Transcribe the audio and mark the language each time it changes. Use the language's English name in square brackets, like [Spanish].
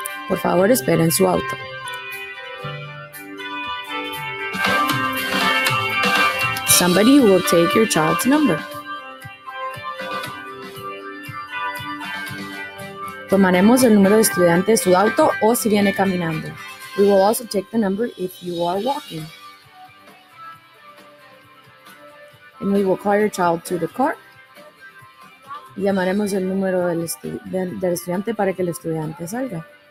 [Spanish] Por favor, espere en su auto. [English] Somebody will take your child's number. [Spanish] Tomaremos el número de estudiante de su auto o si viene caminando. [English] We will also take the number if you are walking. And we will call your child to the car. [Spanish] Llamaremos el número del estudiante para que el estudiante salga.